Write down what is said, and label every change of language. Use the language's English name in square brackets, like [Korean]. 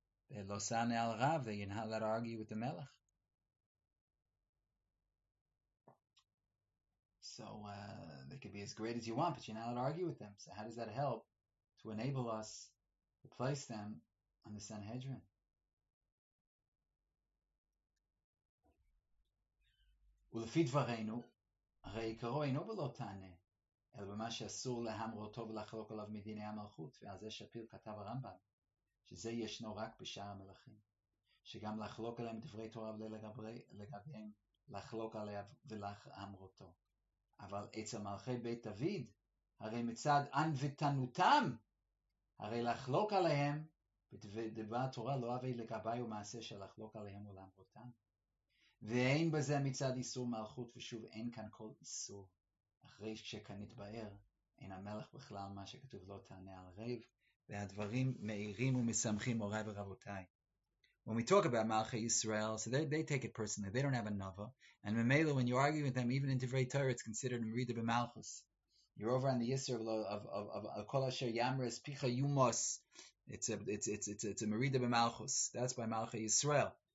[English] They're Losane al Rav, they're not allowed to argue with the Melech. So they could be as great as you want, but you're not allowed to argue with them. So how does that help to enable us to place them on the Sanhedrin? [Hebrew] ולפי דברינו, הרי עיקרו אינו בלא תענה, אלא במה שאסור להמרותו ולחלוק עליו מדיני המלכות, ועל זה שפיר כתב הרמב״ם, שזה ישנו רק בשאר המלכים, שגם לחלוק עליהם דברי תורה ולגביהם, לחלוק עליה ולהמרותו. אבל אצל מלכי בית דוד, הרי מצד ענוותנותם, הרי לחלוק עליהם, בדבר התורה לא אבי לגבי ומעשה שלחלוק עליהם ולהמרותם. ואין בזה מצד איסור מלכות, ושוב אין כאן כל איסור. אחרי שכאן התבאר, אין המלך בכלל מה שכתוב לא תענה על ריב, והדברים מאירים ומשמחים מוריי ורבותיי. [English] When we talk about Malchi Yisrael, so they take it personally. They don't have a Nava. And Memela, when you argue with them, even in Divrei Torah, it's considered Merida B'Malchus. You're over on the Yisr of Kol Asher Yamres Picha Yumos. It's a Merida B'Malchus. That's by Malchi Yisrael.